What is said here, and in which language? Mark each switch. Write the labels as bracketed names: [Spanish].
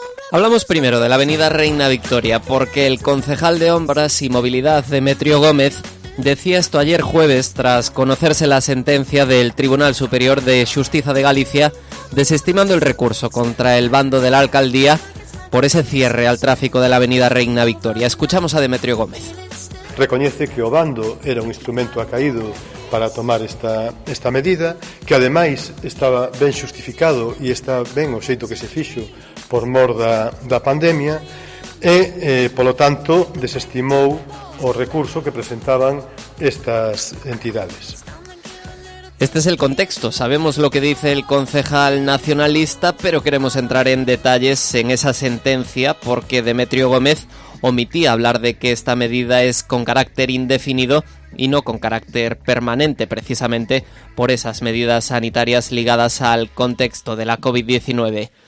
[Spanish] Hablamos primero de la avenida Reina Victoria, porque el concejal de Obras y Movilidad, Demetrio Gómez, decía esto ayer jueves tras conocerse la sentencia del Tribunal Superior de Justicia de Galicia, desestimando el recurso contra el bando de la alcaldía por ese cierre al tráfico de la avenida Reina Victoria. Escuchamos a Demetrio Gómez. [Galician] Recoñece que o bando era un instrumento acaído para tomar esta medida, que ademais estaba ben xustificado e está ben o xeito que se fixo por mor da pandemia e, polo tanto, desestimou o recurso que presentaban estas entidades. [Spanish] Este es el contexto. Sabemos lo que dice el concejal nacionalista, pero queremos entrar en detalles en esa sentencia porque Demetrio Gómez omitía hablar de que esta medida es con carácter indefinido y no con carácter permanente, precisamente por esas medidas sanitarias ligadas al contexto de la COVID-19.